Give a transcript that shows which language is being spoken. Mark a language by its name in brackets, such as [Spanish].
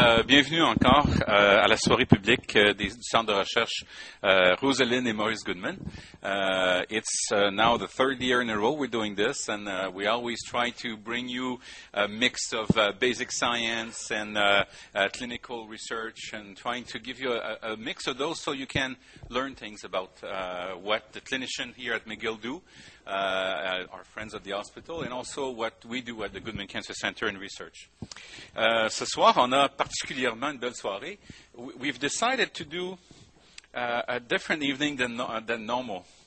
[French] Bienvenue encore à la soirée publique du Centre de recherche Rosalind et Maurice Goodman. [English] It's now the third year in a row we're doing this, and we always try to bring you a mix of basic science and clinical research and trying to give you a mix of those so you can learn things about what the clinician here at McGill do. Our friends at the hospital, and also what we do at the Goodman Cancer Center in research. [French] Ce soir, on a particulièrement une belle soirée. [English] We've decided to do a different evening than normal.